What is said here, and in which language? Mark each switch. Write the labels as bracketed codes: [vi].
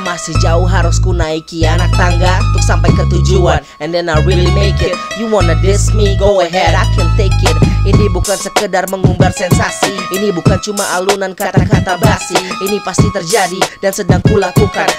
[id] Masih jauh harus ku naiki anak tangga untuk sampai ke tujuan. [en] And then I really make it. You wanna diss me, go ahead, I can take it. [id] Ini bukan sekedar mengumbar sensasi. Ini bukan cuma alunan kata-kata basi. Ini pasti terjadi dan sedang kulakukan.